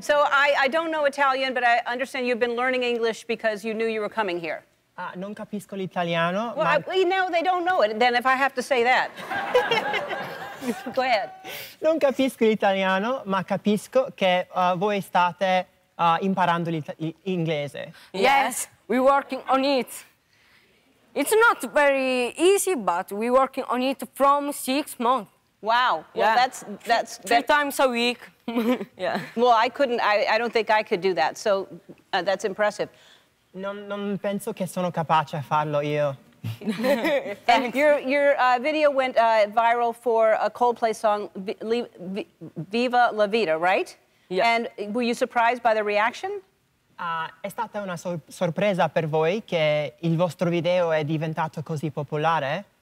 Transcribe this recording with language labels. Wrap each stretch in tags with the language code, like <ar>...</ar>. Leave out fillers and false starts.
<en>So I don't know Italian, but I understand you've been learning English because you knew you were coming here.</en> <it>Non capisco l'italiano.</it> <en>Well, no, they don't know it, then, if I have to say that. Go ahead.</en> <it>Non capisco l'italiano, ma capisco che voi state imparando l'inglese.</it> <en>Yes, we're working on it. It's not very easy, but we're working on it from 6 months. Wow. Well, yeah. That's three times a week. Yeah. Well, I couldn't. I don't think I could do that. So that's impressive.</en> <it>Non penso che sono capace a farlo io.</it> <en>And your video went viral for a Coldplay song, Viva la Vida, right? Yeah. And were you surprised by the reaction?</en> <it>È stata una sorpresa per voi che il vostro video è diventato così popolare?</it>